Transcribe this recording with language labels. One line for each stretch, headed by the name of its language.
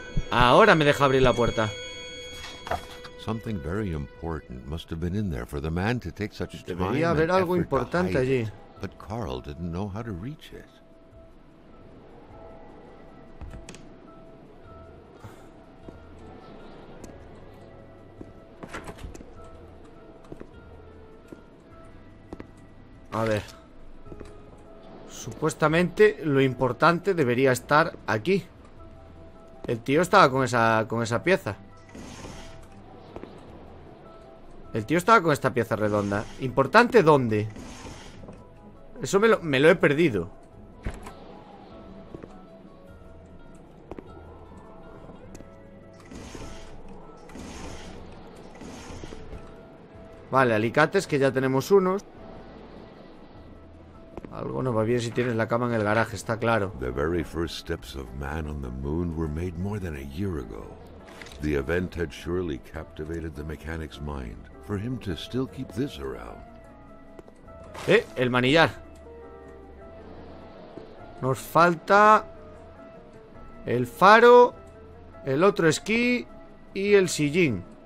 Spanish: Ahora me deja abrir la puerta.
English: Something very important must have been in there for the man to take such time.
Spanish: Debería haber algo importante allí.
English: But Carl didn't know how to reach it.
Spanish: A ver. Supuestamente lo importante debería estar aquí. El tío estaba con esa pieza. El tío estaba con esta pieza redonda. ¿Importante dónde? Eso me lo he perdido. Vale, alicates, que ya tenemos unos. Algo no va bien si tienes la cama en el garaje, está claro.
English: The very first steps of man on the moon were made more than a year ago. The event had surely captivated the mechanic's mind. For him to still keep this around.
Spanish: El manillar. Nos falta el faro, el otro esquí y el sillín.